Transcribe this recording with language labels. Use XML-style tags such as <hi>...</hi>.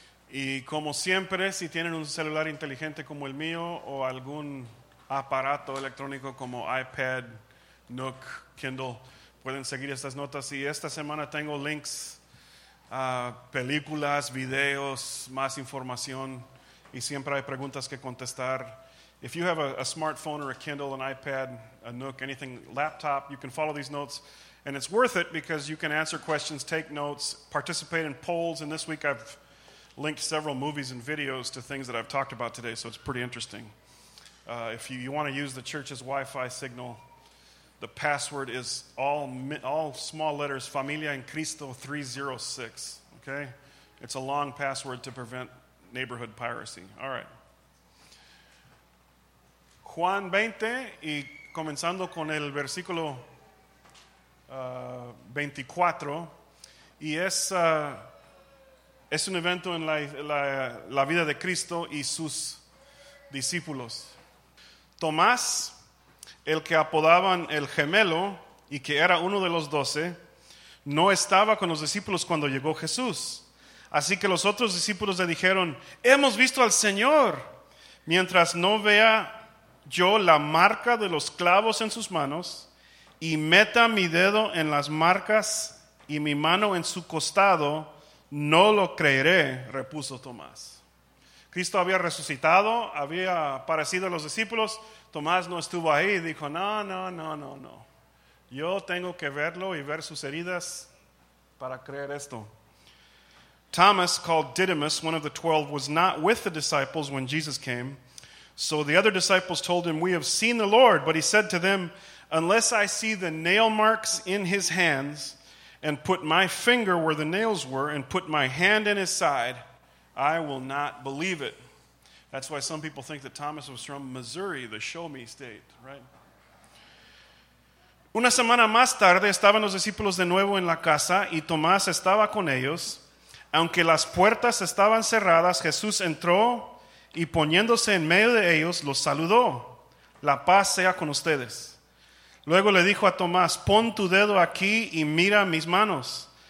<es>Y como siempre, si tienen un celular inteligente como el mío o algún aparato electrónico como iPad, Nook, Kindle, pueden seguir estas notas. Y esta semana tengo links a películas, videos, más información. Y siempre hay preguntas que contestar.</es> <en>If you have a smartphone or a Kindle, an iPad, a Nook, anything, laptop, you can follow these notes. And it's worth it because you can answer questions, take notes, participate in polls. And this week I've linked several movies and videos to things that I've talked about today, so it's pretty interesting. If you want to use the church's Wi-Fi signal, the password is all small letters, Familia en Cristo 306, okay? It's a long password to prevent neighborhood piracy. All right.</en> <es>Juan 20, y comenzando con el versículo 24, y es un evento en la vida de Cristo y sus discípulos. Tomás, el que apodaban el gemelo y que era uno de los doce, no estaba con los discípulos cuando llegó Jesús. Así que los otros discípulos le dijeron: hemos visto al Señor. Mientras no vea yo la marca de los clavos en sus manos y meta mi dedo en las marcas y mi mano en su costado, no lo creeré, repuso Tomás. Cristo había resucitado, había aparecido a los discípulos. Tomás no estuvo ahí y dijo: no. Yo tengo que verlo y ver sus heridas para creer esto.</es> <en>Thomas, called Didymus, one of the 12, was not with the disciples when Jesus came. So the other disciples told him, we have seen the Lord. But he said to them, unless I see the nail marks in his hands and put my finger where the nails were and put my hand in his side, I will not believe it. That's why some people think that Thomas was from Missouri, the show me state, right?</en> <es>Una semana más tarde estaban los discípulos de nuevo en la casa y Tomás estaba con ellos. Aunque las puertas estaban cerradas, Jesús entró y poniéndose en medio de ellos, los saludó. La paz sea con ustedes. Luego le dijo a Tomás: pon tu dedo aquí y mira mis manos.</es>